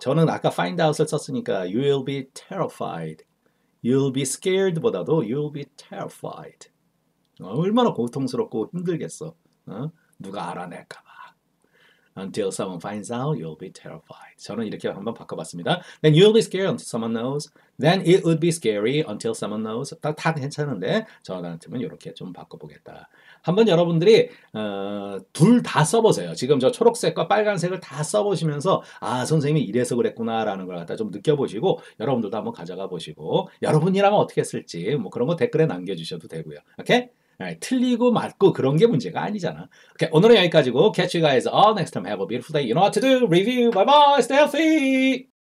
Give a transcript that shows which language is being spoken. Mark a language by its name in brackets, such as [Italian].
[Korean] 저는 아까 [English] find out을 [Korean] 썼으니까 [English] You will be terrified. You will be scared [Korean] 보다도 [English] You will be terrified. [Korean] 얼마나 고통스럽고 힘들겠어. 누가 알아낼까 [English] Until someone finds out, you'll be terrified. [Korean] 저는 이렇게 한번 바꿔봤습니다. [English] Then you'll be scared until someone knows. Then it would be scary until someone knows. [Korean] 다 괜찮은데 저한테는 이렇게 좀 바꿔보겠다. 한번 여러분들이 둘 다 써보세요. 지금 저 초록색과 빨간색을 다 써보시면서 아 선생님이 이래서 그랬구나라는 걸 갖다 좀 느껴보시고 여러분들도 한번 가져가 보시고 여러분이라면 어떻게 했을지 뭐 그런 거 댓글에 남겨주셔도 되고요. 오케이? 틀리고 맞고 그런 게 문제가 아니잖아. 오케이, 오늘은 여기까지고 [English] catch you guys all next time. Have a beautiful day. You know what to do. Review. Bye bye. Stay healthy.